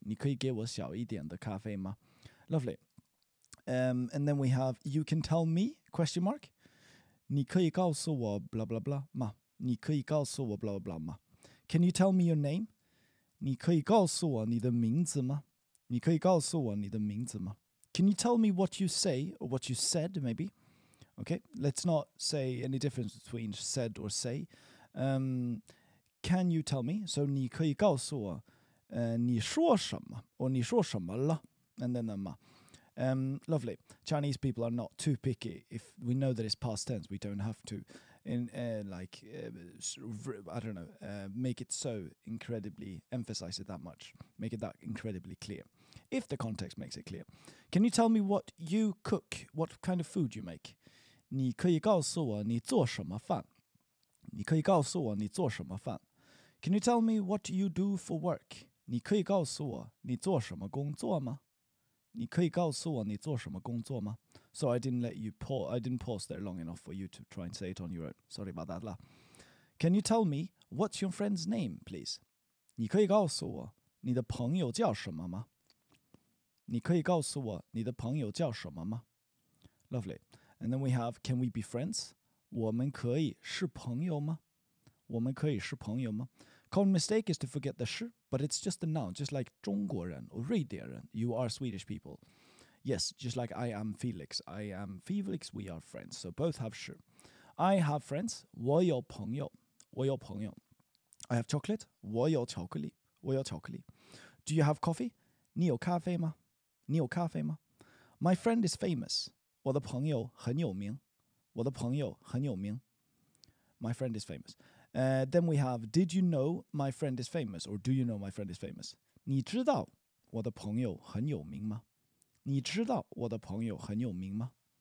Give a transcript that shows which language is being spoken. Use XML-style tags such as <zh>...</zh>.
<zh>你可以给我小一点的咖啡吗?</zh> <en>Lovely. And then we have, you can tell me? Question mark.</en> <zh>你可以告诉我</zh> <en>blah blah blah ma.</en> <zh>你可以告诉我</zh> <en>blah blah blah ma. Can you tell me your name?</en> <zh>你可以告诉我你的名字吗?你可以告诉我你的名字吗?</zh> <en>Can you tell me what you say or what you said, maybe? Okay, let's not say any difference between said or say. Can you tell me? So</en> <zh>你可以告诉我你说什么,或你说什么了?</zh> <en>And then the ma. Lovely. Chinese people are not too picky. If we know that it's past tense, we don't have to, make it so incredibly, emphasize it that much, make it that incredibly clear. If the context makes it clear. Can you tell me what you cook? What kind of food you make?</en> <zh>你可以告诉我你做什么饭?你可以告诉我你做什么饭?</zh> <en>Can you tell me what you do for work?</en> <zh>你可以告诉我你做什么工作吗? 你可以告诉我你做什么工作吗?</zh> <en>So I didn't pause there long enough for you to try and say it on your own. Sorry about that. Can you tell me what's your friend's name, please?</en> <zh>你可以告诉我你的朋友叫什么吗? 你可以告诉我你的朋友叫什么吗?</zh> <en>Lovely. And then we have, can we be friends?</en> <zh>我们可以是朋友吗? 我们可以是朋友吗?</zh> <en>Common mistake is to forget the 是, but it's just a noun, just like</en> <zh>中国人</zh> <en>or</en> <zh>瑞典人,</zh> <en>you are Swedish people. Yes, just like I am Felix, we are friends. So both have 是.I have friends.</en> <zh>我有朋友。我有朋友。</zh> <en>I have chocolate.</en> <zh>我有巧克力。我有巧克力。</zh> <en>Do you have coffee?</en> <zh>你有咖啡吗? 你有咖啡吗?</zh> <en>My friend is famous.</en> <zh>我的朋友很有名。我的朋友很有名。</zh> <en>My friend is famous. Then we have, did you know my friend is famous? Or do you know my friend is famous?</en> <zh>你知道我的朋友很有名吗? 你知道我的朋友很有名吗?</zh>